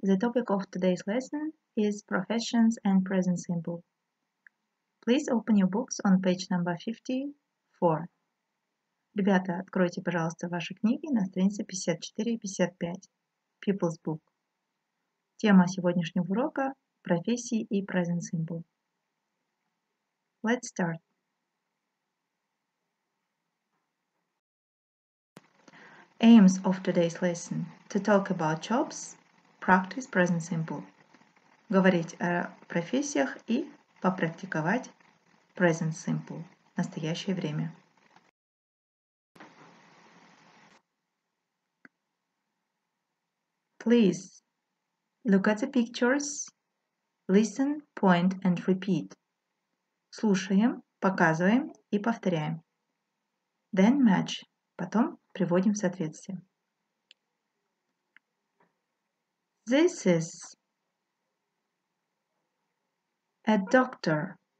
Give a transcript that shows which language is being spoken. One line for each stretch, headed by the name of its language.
English: The topic of today's lesson is professions and present simple. Please open your books on page number 54.
Russian: Ребята, откройте, пожалуйста, ваши книги на странице 54 и 55.
English: People's book.
Russian: Тема сегодняшнего урока – профессии и present simple.
English: Let's start. Aims of today's lesson – to talk about jobs, practice present simple.
Russian: Говорить о профессиях и попрактиковать present simple – настоящее время.
English: Please look at the pictures, listen, point and repeat.
Russian: Слушаем, показываем и повторяем.
English: Then match
Russian: – потом приводим в соответствие.
English: This is a doctor.